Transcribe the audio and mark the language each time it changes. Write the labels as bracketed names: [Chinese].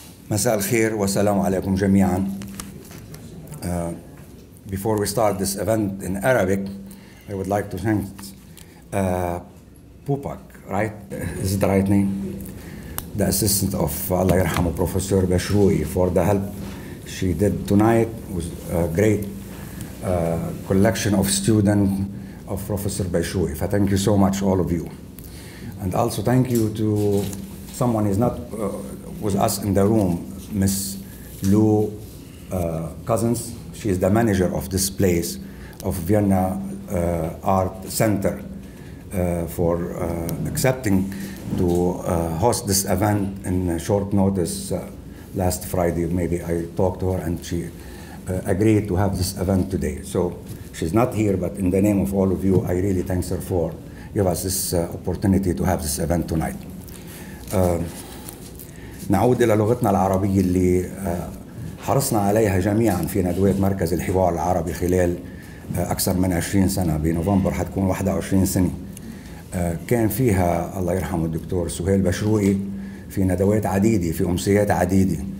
[Arabic] مساء الخير والسلام عليكم جميعا. [English] Before we start this event in Arabic, I would like to thank Pupak, right? Is it the right name? The assistant of [Arabic] Allah Yarhamu, [English] Professor Bashrui, for the help she did tonight with a great collection of students of Professor Bashrui. Thank you so much, all of you. And also thank you to someone who is not with us in the room, Miss Lou Cousins. She is the manager of this place, of Vienna Art Center, for accepting to host this event in short notice last Friday. Maybe I talked to her and she agreed to have this event today. So she's not here, but in the name of all of you, I really thank her for giving us this opportunity to have this event tonight. [Arabic] نعود إلى لغتنا العربية اللي حرصنا عليها جميعاً في ندوات مركز الحوار العربي خلال أكثر من 20 سنة. بنوفمبر حتكون 21 سنة. كان فيها الله يرحمه الدكتور سهيل بشروقي في ندوات عديدة في أمسيات عديدة.